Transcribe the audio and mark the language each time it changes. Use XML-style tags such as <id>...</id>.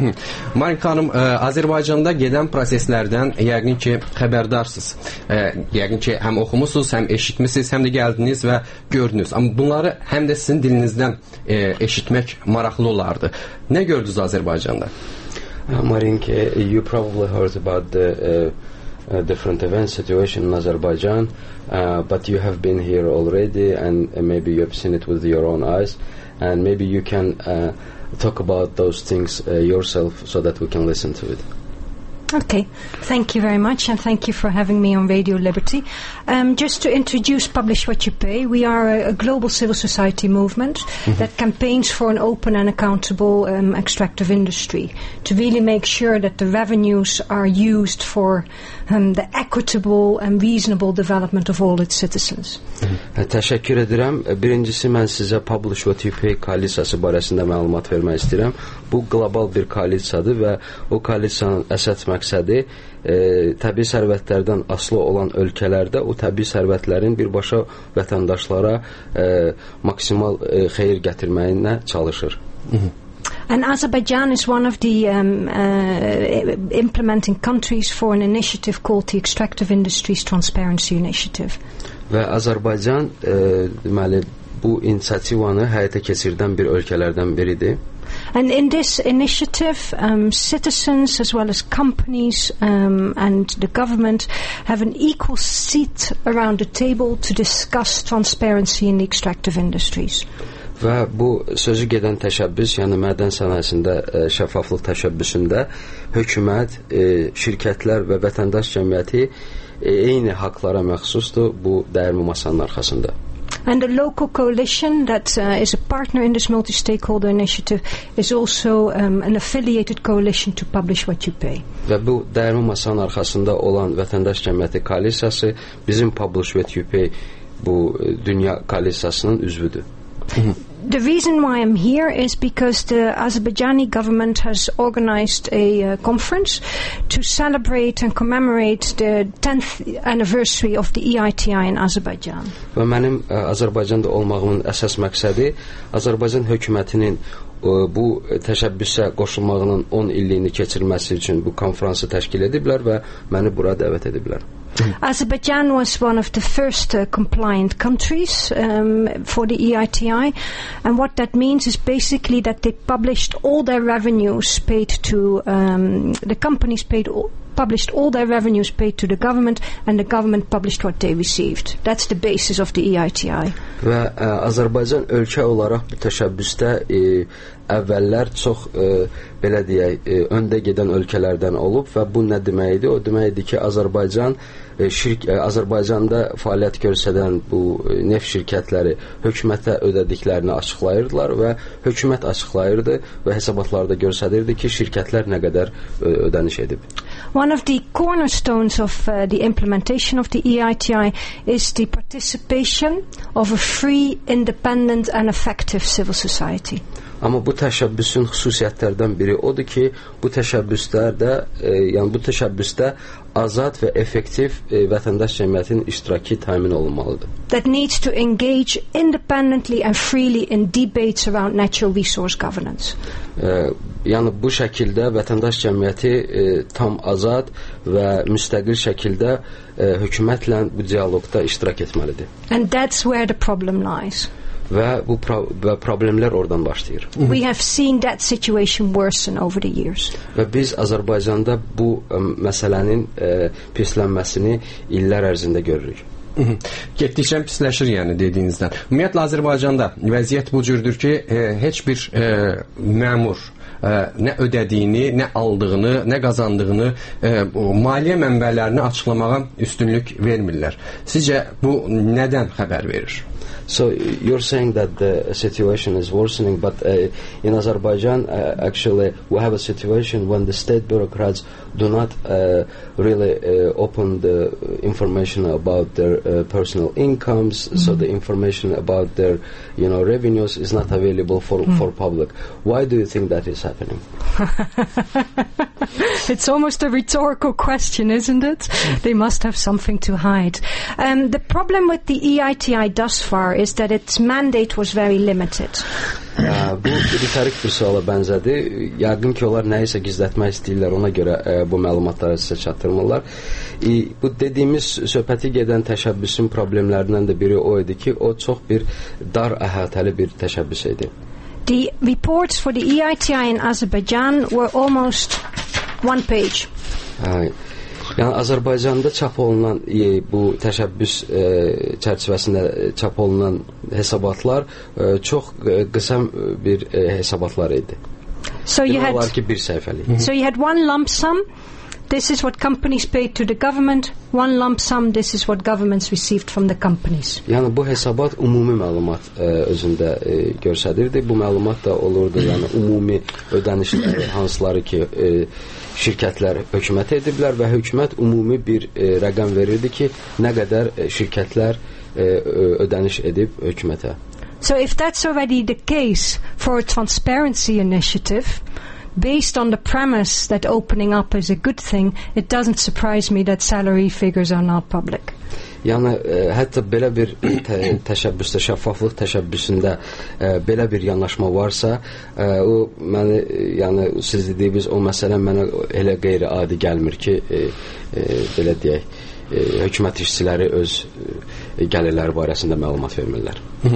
<az>Marinka xanım, Azərbaycanda gedən proseslərdən yəqin ki xəbərdarsınız. Yəqin ki həm oxumusunuz, həm eşitmisiniz, həm də gəldiniz və gördünüz. Amma bunları həm də sizin dilinizdən eşitmək maraqlı olardı. Nə gördünüz Azərbaycanda?</az> <en>Marinka, you probably heard about the different events, situation in Azerbaijan, but you have been here already, and maybe you have seen it with your own eyes, and maybe you can talk about those things yourself so that we can listen to it. Okay, thank you very much, and thank you for having me on Radio Liberty. Just to introduce Publish What You Pay, we are a global civil society movement that campaigns for an open and accountable extractive industry to really make sure that the revenues are used for the equitable and reasonable development of all its citizens.</en> <az>Teşekkür ederim. Birincisi, mən size Publish What You Pay koalisiyası barəsində məlumat vermək istəyirəm. Bu global bir koalisiyadır və o koalisiyanın əsas məqsədi təbii sərvətlərdən asılı olan ölkələrdə o təbii sərvətlərin birbaşa vətəndaşlara maksimal xeyir gətirməyinə çalışır.</az> <en>And Azerbaijan is one of the implementing countries for an initiative called the Extractive Industries Transparency Initiative.</en> <az>Və Azərbaycan deməli bu inisiativanı həyata keçirdən bir ölkələrdən biridir.</az> <en>And in this initiative, citizens as well as companies and the government have an equal seat around the table to discuss transparency in the extractive industries.</en> <az>Və bu sözü gedən təşəbbüs, yəni mədən sənayesində şəffaflıq təşəbbüsündə hökumət, şirkətlər və vətəndaş cəmiyyəti eyni haqlara məxsusdur bu dəyərli masanın arxasında.</az> <en>And the local coalition that is a partner in this multi-stakeholder initiative is also an affiliated coalition to Publish What You Pay.</en> <az>Və bu dəyərli masanın arxasında olan vətəndaş cəmiyyəti koalisiyası bizim Publish What You Pay bu dünya koalisiyasının üzvüdür.</az> <en>The reason why I'm here is because the Azerbaijani government has organized a conference to celebrate and commemorate the 10th anniversary of the EITI in Azerbaijan.</en> <az>Və mənim Azərbaycanda olmağımın əsas məqsədi Azərbaycan hökumətinin bu təşəbbüsə qoşulmağının 10 illiyini keçirməsi üçün bu konfransı təşkil ediblər və məni bura dəvət ediblər.</az> <en>Azerbaijan was one of the first compliant countries for the EITI, and what that means is basically that they published all their revenues paid to the companies paid published all their revenues paid to the government, and the government published what they received. That's the basis of the EITI.</en> <az>Və Azərbaycan ölkə olaraq bu təşəbbüsdə əvvəllər çox belə deyək öndə gedən ölkələrdən olub və bu nə demək idi? O demək idi ki, Azərbaycan Azərbaycanda fəaliyyət göstərən bu neft şirkətləri hökumətə ödədiklərini açıqlayırdılar və hökumət açıqlayırdı və hesabatlarda göstərirdi ki, şirkətlər nə qədər ödəniş edib.</az> <en>One of the cornerstones of the implementation of the EITI is the participation of a free, independent and effective civil society.</en> <az>Amma bu təşəbbüsün xüsusiyyətlərdən biri odur ki, bu təşəbbüslərdə, yəni bu təşəbbüsdə azad və effektiv vətəndaş cəmiyyətinin iştirakı təmin olunmalıdır.</az> <en>That needs to engage independently and freely in debates around natural resource governance.</en> <az>Yəni bu şəkildə vətəndaş cəmiyyəti tam azad və müstəqil şəkildə hökumətlə bu dialoqda iştirak etməlidir.</az> <en>And that's where the problem lies.</en> <az>və bu problemlər oradan başlayır.</az> <en>We have seen that situation worsen over the years.</en> <az>Və biz Azərbaycanda bu məsələnin pislənməsini illər ərzində görürük. Getdikcə pisləşir yəni dediyinizdən. Ümumiyyətlə Azərbaycanda vəziyyət bu cürdür ki, heç bir məmur nə ödədiyini, nə aldığını, nə qazandığını maliyyə mənbələrini açıqlamağa üstünlük vermirlər. Sizcə bu nədən xəbər verir?</az> <en>So you're saying that the situation is worsening, but in Azerbaijan, actually, we have a situation when the state bureaucrats do not really open the information about their personal incomes. Mm-hmm. So the information about their, you know, revenues is not available for public. Why do you think that is happening? It's almost a rhetorical question, isn't it? They must have something to hide. The problem with the EITI thus far is that its mandate was very limited.</en> <az>Bu rhetorik bir suala bənzədi. Yəqin ki, onlar nəyisə gizlətmək istəyirlər, ona görə bu məlumatları sizə çatdırmırlar. Bu dediyimiz söhbəti gedən təşəbbüsün problemlərindən də biri o idi ki, o çox bir dar əhatəli bir təşəbbüs idi.</az> <en>The reports for the EITI in Azerbaijan were almost one page.</en> <az>Yəni Azərbaycanda çap olunan bu təşəbbüs çərçivəsində çap olunan hesabatlar çox qısa bir hesabatlar idi.</az> <en>So you had</en> <az>bir səhifəlik.</az> <en>So you had one lump sum. This is what companies paid to the government. One lump sum, this is what governments received from the companies.</en> <az>Yəni bu hesabat ümumi məlumat özündə göstərirdi. Bu məlumat da olurdu, yəni ümumi ödənişlər hansıları ki şirkətlər hökumətə ediblər və hökumət ümumi bir rəqəm verirdi ki, nə qədər şirkətlər ödəniş edib hökumətə.</az> <en>So if that's already the case for a transparency initiative, based on the premise that opening up is a good thing, it doesn't surprise me that salary figures are not public.</en> <az>Yəni hətta belə bir təşəbbüsdə, şəffaflıq təşəbbüsündə belə bir yanaşma varsa, o məni, yəni siz dediyiniz o məsələ mənə elə qeyri-adi gəlmir ki, belə deyək, hökumət işçiləri öz gəlirləri barəsində məlumat vermirlər.</az>